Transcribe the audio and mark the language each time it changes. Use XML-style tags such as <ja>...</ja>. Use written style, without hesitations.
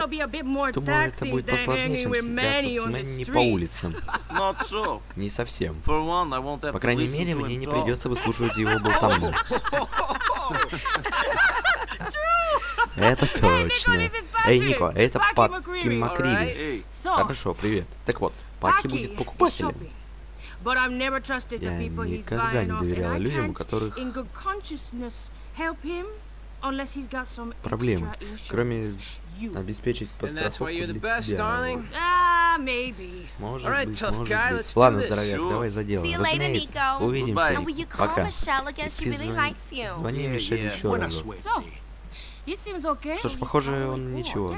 <ru>Думаю, это будет посложнее, чем встречаться с Мэнни по улицам. Не совсем. По крайней мере, мне не придется выслушивать его болтовню. Это точно. Эй, Нико, это Пакки Макриви. Хорошо, привет. Так вот, Пакки будет покупателем.</ru> <en>But I've never trusted the people he's buying off, and I can't,</en> <ru>людям, которых...</ru> <en>in good consciousness, help him unless he's got some extra insurance.</en> <ru>Кроме обеспечить подстраховку для тебя.</ru> <en>Maybe.</en> <ru>Может быть, может быть. Ладно, здоровяк, давай за дело. Разумеется. Увидимся. Пока. И звони Мишель еще раз. Что ж, похоже, он ничего.</ru>